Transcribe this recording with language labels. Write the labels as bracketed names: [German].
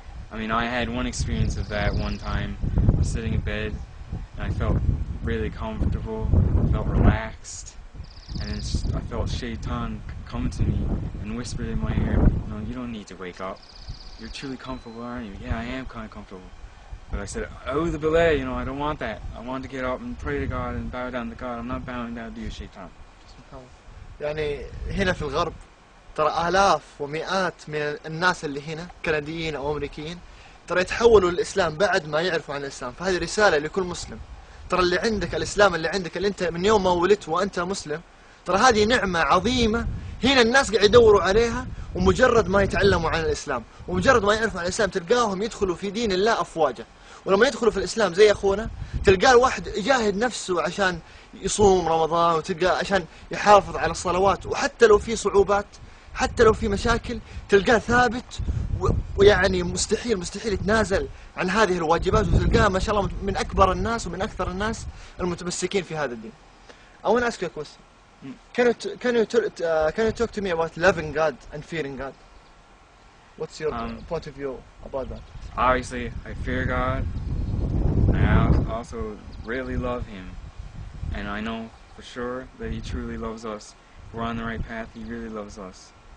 [English] I had one experience of that one time. I was sitting in bed and I felt really comfortable, felt relaxed, and it's just, I felt Shaitan come to me and whisper in my ear, "No, you don't need to wake up. You're truly comfortable, aren't you?" "Yeah, I am kind of comfortable." But I said, "Oh, the belay, I don't want that. I want to get up and pray to God and bow down to God. I'm not bowing down to you, Shaitan." [Arabic] يعني هنا في الغرب ترى آلاف ومئات من الناس اللي هنا كنديين أو أمريكيين ترى يتحولوا للإسلام بعد ما يعرفوا عن الإسلام. فهذه رسالة لكل مسلم، ترى اللي عندك الإسلام، اللي عندك، اللي أنت من يوم ما ولدت وأنت مسلم، ترى هذه نعمة عظيمة. هنا الناس قاعد يدوروا عليها، ومجرد ما يتعلموا عن الإسلام ومجرد ما يعرفوا عن الإسلام تلقاهم يدخلوا في دين الله أفواجه. ولما يدخلوا في الإسلام زي أخونا، تلقاه الواحد يجاهد نفسه عشان يصوم رمضان، وتلقاه عشان يحافظ على الصلوات، وحتى لو في صعوبات، حتى لو في مشاكل، تلقاه ثابت، ويعني مستحيل يتنازل عن هذه الواجبات، وتلقاه ما شاء الله من أكبر الناس ومن أكثر الناس المتمسكين في هذا الدين. [English] I want to ask you a question. Can you talk to me about loving God and fearing God? What's your point of view about that? Obviously, I fear God, and I also really love Him, and I know for sure that He truly loves us. We're on the right path. He really loves us.